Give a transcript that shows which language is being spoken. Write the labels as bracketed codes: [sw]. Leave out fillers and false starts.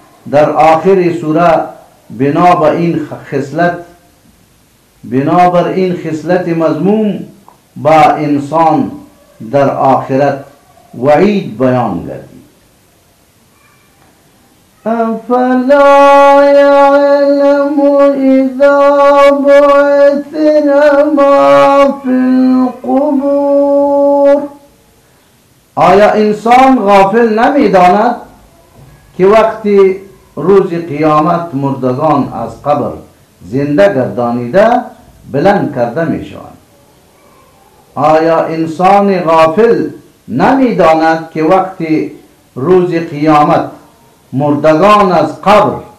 [fa] در آخر سوره بنابر این خصلت مضموم با انسان در آخرت وعید بیان گردید. [ar] افلا یعلم اذا بعثر ما فی القبور. [fa] آیا انسان غافل نمی داند که وقتی روز قیامت مردگان از قبر زنده گردانیده بلند کرده می شوند؟ آیا انسان غافل نمی داند که وقتی روز قیامت مردگان از قبر